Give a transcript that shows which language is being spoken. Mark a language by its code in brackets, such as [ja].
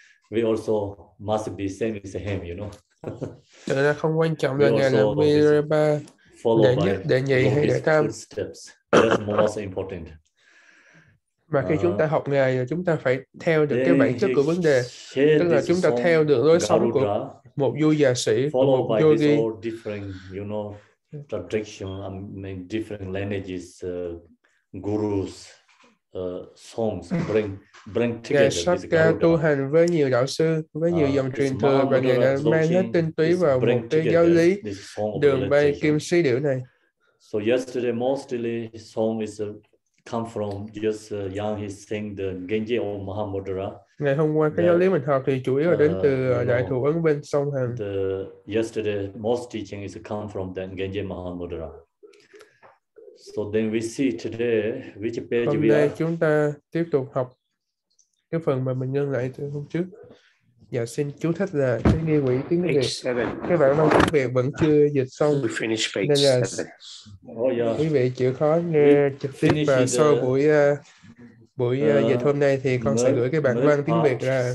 [en] We also must be same as him, you know. [vi] Thực ra không quan trọng là Ngài là Milarepa đệ nhất, đệ nhị hay đệ tam. [en] That's most important. [vi] Mà khi chúng ta học Ngài, chúng ta phải theo được cái bản chất của vấn đề. Tức là chúng ta theo được lối sống của một vua già sĩ, một yogi. [en] Different, you know, tradition, I mean, different lineages, gurus, songs, bring together. [vi] Ngài Shabkar tu hành với nhiều đạo sư, với nhiều dòng truyền thừa, và Ngài đã mang hết tinh túy vào một cái giáo lý đường bay kim sĩ điểu này. [en] So yesterday mostly his song is come from just young he sang the Genji or Mahamudra. [vi] Ngày hôm qua cái giáo lý mình học thì chủ yếu là đến từ Đại Thủ Ấn bên sông Hằng. [en] The yesterday most teaching is come from the Genji Mahamudra. So then we see today which page [vi] hôm [en] we are. [vi] Hôm nay chúng ta tiếp tục học cái phần mà mình ngưng lại từ hôm trước. Dạ xin chú thích là cái nghi quỹ tiếng Việt. Cái bản văn tiếng Việt vẫn chưa dịch xong. [en] We finish page [vi] nên là quý vị chịu khó nghe trực tiếp và sau buổi dịch hôm nay thì con sẽ gửi cái bản văn tiếng Việt ra.